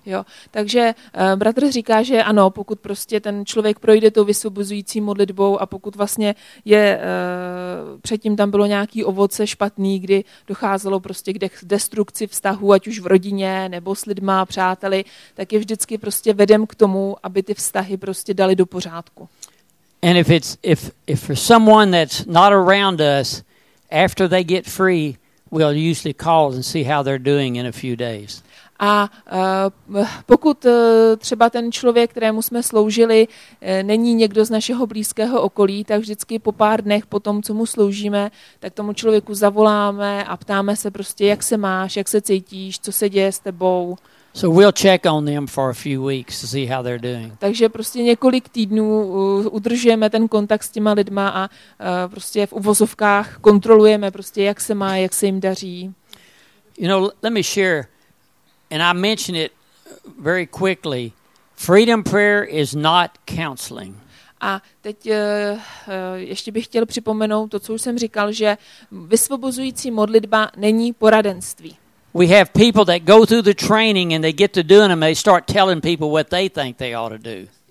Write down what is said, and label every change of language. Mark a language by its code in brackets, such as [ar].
[cs] Jo, takže bratr říká, že ano, pokud prostě ten člověk projde tou vysvobozující modlitbou a pokud vlastně je předtím tam bylo nějaký ovoce špatný, kdy docházelo prostě k destrukci vztahu, ať už v rodině nebo s lidma, přáteli, tak je vždycky prostě vedem k tomu, aby ty vztahy prostě dali do pořádku. [en] And if for someone that's not around us, after they get free, we'll usually call and see how they're doing in a few days. [cs] A pokud třeba ten člověk, kterému jsme sloužili, není někdo z našeho blízkého okolí, tak vždycky po pár dnech po tom, co mu sloužíme, tak tomu člověku zavoláme a ptáme se prostě, jak se máš, jak se cítíš, co se děje s tebou. [en] So we'll check on them for a few weeks to see how they're doing. [cs] Takže prostě několik týdnů udržujeme ten kontakt s těma lidma a prostě v uvozovkách kontrolujeme prostě, jak se má, jak se jim daří. [en] You know, let me share, and I mention it very quickly. Freedom prayer is not counseling. [cs] A teď ještě bych chtěl připomenout to, co už jsem říkal, že vysvobozující modlitba není poradenství. [en] We have people that go through the training and they get to doing them, they start telling people what they think they ought to do.